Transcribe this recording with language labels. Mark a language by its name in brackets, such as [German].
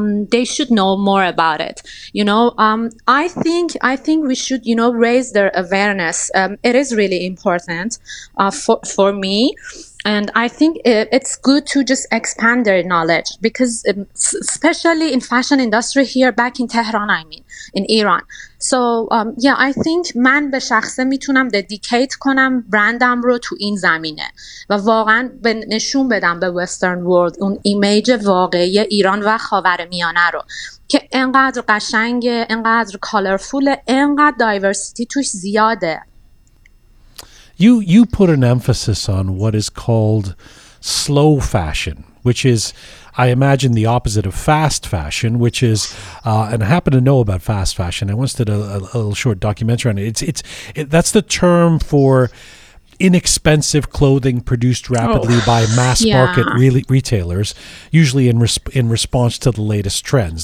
[English] They should know more about it, you know. I think we should, you know, raise their awareness. It is really important for me, and I think it's good to just expand their knowledge, because especially in fashion industry here back in Tehran, I mean in Iran. [Persian] So I think من به شخصه میتونم dedicate کنم برندم رو تو این زمینه و واقعا به نشون بدم به [English] Western world [Persian] اون ایمیج واقعی ایران و خاورمیانه رو که انقدر قشنگه، انقدر colorfule، انقدر diversity توش زیاده. [English] You put an emphasis on what is called slow fashion, which is, I imagine, the opposite of fast fashion, which is, and I happen to know about fast fashion. I once did a little short documentary on it. That's the term for inexpensive clothing produced rapidly by mass market retailers, usually in response to the latest trends.